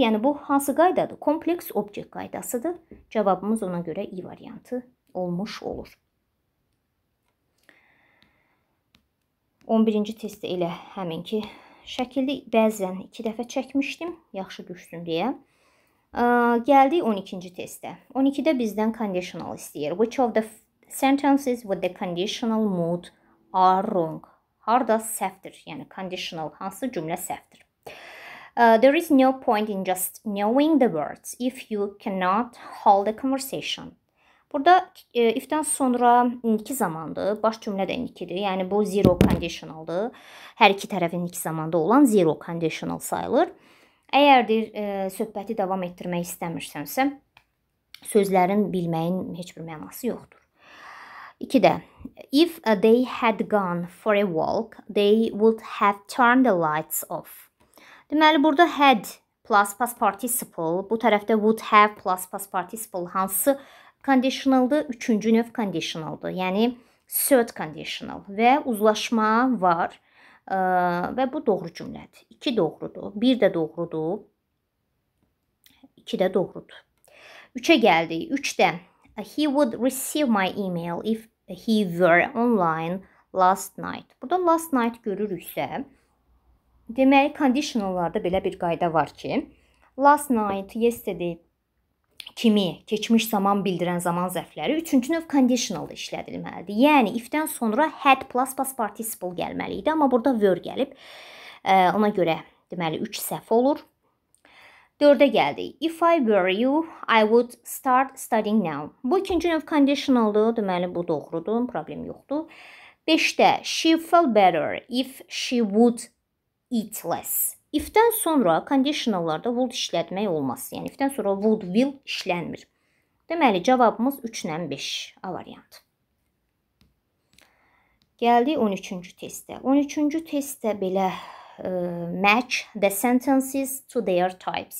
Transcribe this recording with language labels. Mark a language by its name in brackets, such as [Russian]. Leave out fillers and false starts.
[Azerbaijani] Yəni, bu hansı qaydadır? Kompleks object qaydasıdır. Cavabımız ona görə i variantı olmuş olur. 11-ci testi elə həminki şəkildə bəzən 2 dəfə çəkmişdim. Yaxşı düşsün deyə. Gəldi 12-ci testə. 12-də bizdən conditional istəyir. [English] Which of the sentences with the conditional mood are wrong? [Azerbaijani] Harda səhvdir? Yəni, conditional hansı cümlə səhvdir? [English] There is no point in just knowing the words if you cannot hold a conversation. [Azerbaijani] Burada if-dən sonra indiki zamandır. Baş cümlə də indikidir. Yəni, bu zero conditional-dır. Hər iki tərəf indiki zamanda olan zero conditional sayılır. Əgər deyir, söhbəti davam etdirmək istəmirsənsə, sözlərin bilməyin heç bir mənası yoxdur. İki də. [English] If they had gone for a walk, they would have turned the lights off. [Azerbaijani] Deməli, burada had plus past participle, bu tərəfdə would have plus past participle hansı conditional-dır, üçüncü növ conditional-dır. Yəni, third conditional. Və uzlaşma var. Və bu doğru cümlədir. İki doğrudur. Bir də doğrudur. İki də doğrudur. Üçə gəldik. Üçdə. [English] He would receive my email if he were online last night. [Azerbaijani] Burada last night görürüksə, deməli, conditional-larda belə bir qayda var ki, last night, yesterday, kimi, keçmiş zaman bildirən zaman zərfləri üçüncü növ conditional-da işlədilməlidir. Yəni, if-dən sonra had plus past participle gəlməli idi, amma burada were gəlib. Ona görə, deməli, üç səhv olur. Dördə gəldik. [English] If I were you, I would start studying now. [Azerbaijani] Bu ikinci növ conditional-dır, deməli, bu doğrudur, problem yoxdur. Beşdə, [English] she felt better if she would eat less. [Azerbaijani] If-dən sonra conditional-larda would işlətmək olmaz. Yəni, if-dən sonra would, will işlənmir. Deməli, cavabımız 3-dən 5 A variant. Gəldi 13-cü testə. 13-cü testə belə [English] match the sentences to their types.